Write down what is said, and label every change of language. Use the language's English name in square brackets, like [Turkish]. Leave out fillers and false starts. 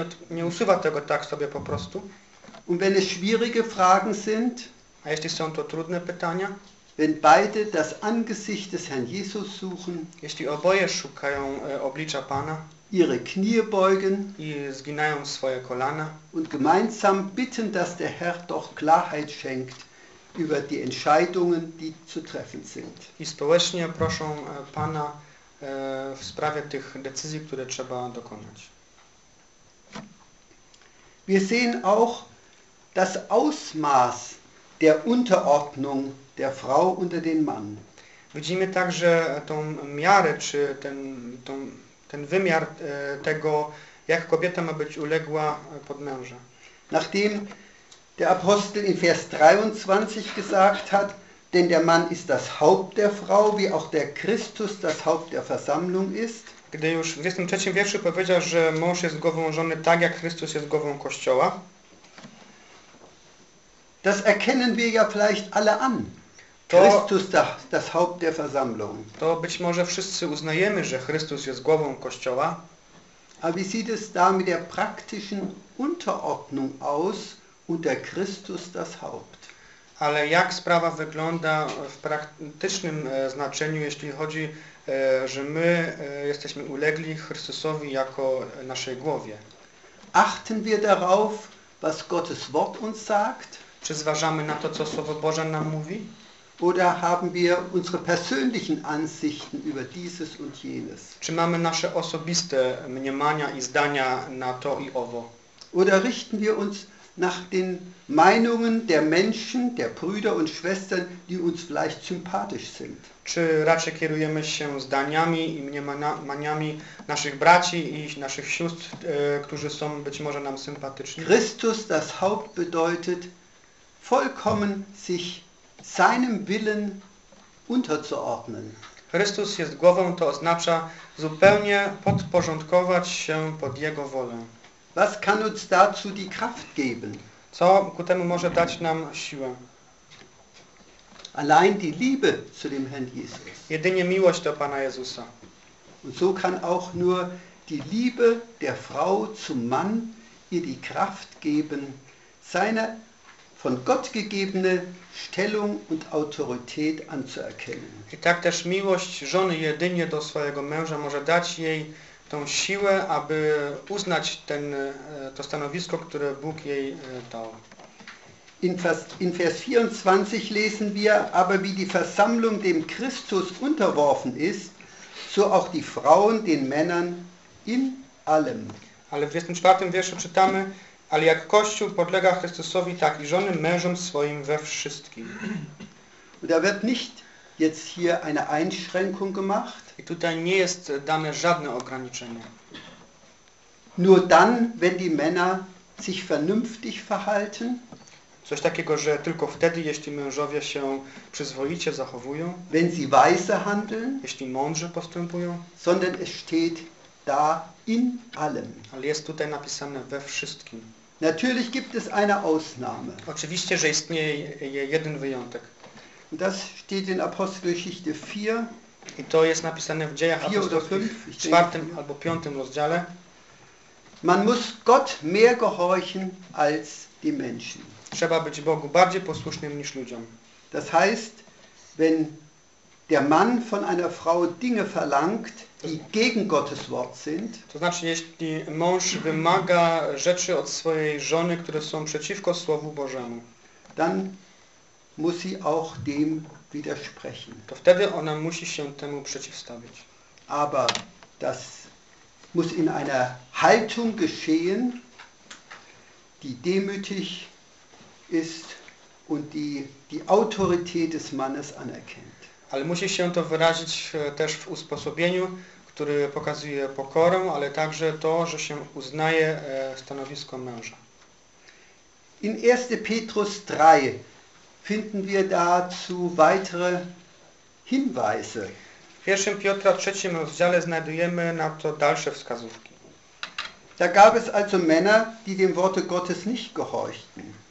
[Polish] nie usuwa tego tak sobie po prostu, [German] und wenn es schwierige Fragen sind, [Polish] a A jeśli są to trudne pytania? [German] Wenn beide das Angesicht des Herrn Jesus suchen, [Polish] jeśli oboje szukają oblicza Pana, [German] ihre Knie beugen, [Polish] i zginają swoje kolana, [German] und gemeinsam bitten, dass der Herr doch Klarheit schenkt über die Entscheidungen, die zu treffen sind. [Polish] I społecznie proszą Pana w sprawie tych decyzji, które trzeba dokonać. [German] Wir sehen auch das Ausmaß der Unterordnung der Frau unter den Mann. [Polish] Widzimy także tą miarę, czy ten, tą, ten wymiar tego, jak kobieta ma być uległa pod męża. [German] Nachdem der Apostel in Vers 23 gesagt hat, denn der Mann ist das Haupt der Frau, wie auch der Christus das Haupt der Versammlung ist. [Polish] Gdy już w 23 wierszu powiedział, że mąż jest głową żony, tak jak Chrystus jest głową Kościoła. [German] Das erkennen wir ja vielleicht alle an. Christus das Haupt der Versammlung. [Polish] To być może wszyscy uznajemy, że Chrystus jest głową Kościoła. [German] A wie sieht es da mit der praktischen Unterordnung aus unter Christus das Haupt? [Polish] Ale jak sprawa wygląda w praktycznym znaczeniu, jeśli chodzi, że my jesteśmy ulegli Chrystusowi jako naszej głowie? [German] Achten wir darauf, was Gottes Wort uns sagt? [Polish] Czy zważamy na to, co Słowo Boże nam mówi? [German] Oder haben wir unsere persönlichen Ansichten über dieses und jenes? [Polish] Czy mamy nasze osobiste mniemania i zdania na to i owo? [German] Oder richten wir uns nach den Meinungen der Menschen, der Brüder und Schwestern, die uns vielleicht sympathisch sind? [Polish] Czy raczej kierujemy się zdaniami i mniemaniami naszych braci i naszych sióstr, którzy są być może nam sympatyczni? [German] Christus das Haupt bedeutet, vollkommen sich seinem Willen unterzuordnen. [Polish] Chrystus jest głową, to oznacza zupełnie podporządkować się pod Jego wolę. [German] Was kann uns dazu die Kraft geben? [Polish] Co ku temu może dać nam siłę? [German] Allein die Liebe zu dem Herrn Jesus. [Polish] Jedynie miłość do Pana Jezusa. [German] Und so kann auch nur die Liebe der Frau zum Mann ihr die Kraft geben, seine von Gott gegebene Stellung und Autorität anzuerkennen. [Polish] I tak też miłość żony jedynie do swojego męża może dać jej tą siłę, aby uznać ten, to stanowisko, które Bóg jej dał. [German] In Vers 24 lesen wir, aber wie die Versammlung dem Christus unterworfen ist, so auch die Frauen den Männern in allem. [Polish] Ale w 24 wierszu czytamy, ale jak Kościół podlega Chrystusowi, tak i żony mężom swoim we wszystkim. [German] Und er wird nicht jetzt hier eine Einschränkung gemacht. [Polish] I tutaj nie jest dane żadne ograniczenie. [German] Nur dann, wenn die Männer sich vernünftig verhalten. [Polish] Coś takiego, że tylko wtedy, jeśli mężowie się przyzwoicie zachowują. [German] Wenn sie weise handeln. [Polish] Jeśli mądrze postępują. [German] Sondern es steht da in allem. [Polish] Ale jest tutaj napisane we wszystkim. [German] Natürlich gibt es eine Ausnahme. [Polish] Oczywiście, że istnieje jeden wyjątek. [German] Und das steht in Apostelgeschichte 4. [Polish] I to jest napisane w Dziejach Apostolskich, w czwartym albo piątym rozdziale. [German] Man muss Gott mehr gehorchen als die Menschen. [Polish] Trzeba być Bogu bardziej posłusznym niż ludziom. [German] Das heißt, wenn der Mann von einer Frau Dinge verlangt, die gegen Gottes Wort sind. [Polish] To znaczy, jeśli mąż wymaga rzeczy od swojej żony, które są przeciwko Słowu Bożemu. [German] Dann muss sie auch dem widersprechen. [Polish] To wtedy ona musi się temu przeciwstawić. [German] Aber das muss in einer Haltung geschehen, die demütig ist und die die Autorität des Mannes anerkennt. [Polish] Ale musi się to wyrazić też w usposobieniu, który pokazuje pokorę, ale także to, że się uznaje stanowisko męża. [German] In 1. Petrus 3 finden wir dazu weitere Hinweise. [Polish] W 1. Piotra 3 rozdziale znajdujemy na to dalsze wskazówki. [German] Da gab es also Männer, die dem Worte Gottes nicht gehorchten.